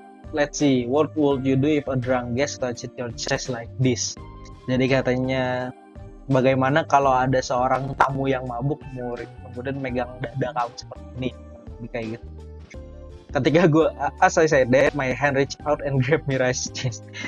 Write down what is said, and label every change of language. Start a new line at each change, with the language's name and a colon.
English: Let's see, what would you do if a drunk guest touched your chest like this?
Indonesian: Jadi katanya, bagaimana kalau ada seorang tamu yang mabuk murid kemudian megang dada kamu seperti ini? Ini kayak gitu. Ketika gue,
English: as I said that, my hand reached out and grabbed Mira's chest.